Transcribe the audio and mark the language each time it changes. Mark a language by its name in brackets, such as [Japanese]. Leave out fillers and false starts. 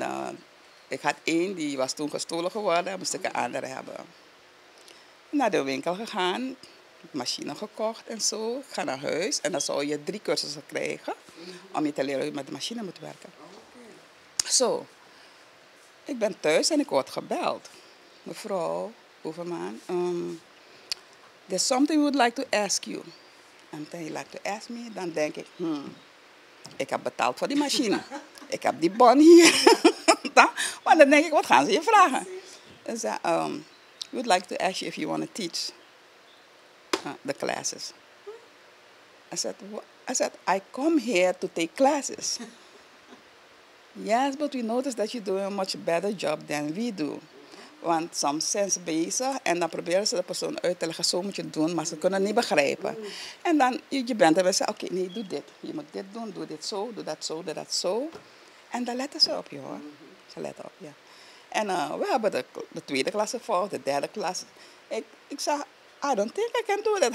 [Dutch] En ik had 1 die was toen gestolen geworden, moest ik een andere hebben. Naar de winkel gegaan, machine gekocht en zo. Ik ga naar huis en dan zou je 3 cursussen krijgen, mm-hmm, om je te leren hoe je met de machine moet werken. Zo, ik ben thuis en ik word gebeld. [English] Mevrouw Overman, there's something we would like to ask you. And then you like to ask me, [Dutch] dan denk ik, ik heb betaald voor die machine. Ik heb die bon hier. Maar dan denk ik, wat gaan ze je vragen? En ze, [English] we would like to ask you if you want to teach the classes. I said, I come here to take classes. Yes, but we notice that you do a much better job than we do. [Dutch] Want soms zijn ze bezig en dan proberen ze de persoon uit te leggen, zo moet je doen, maar ze kunnen niet begrijpen. En dan, je bent er en zegt, oké, nee, doe dit. Je moet dit doen, doe dit zo, doe dat zo, doe dat zo. En dan letten ze op je, hoor. Ze letten op, ja. En we hebben de tweede klasse voor, de derde klasse. Ik zeg, [English] I don't think I can do that.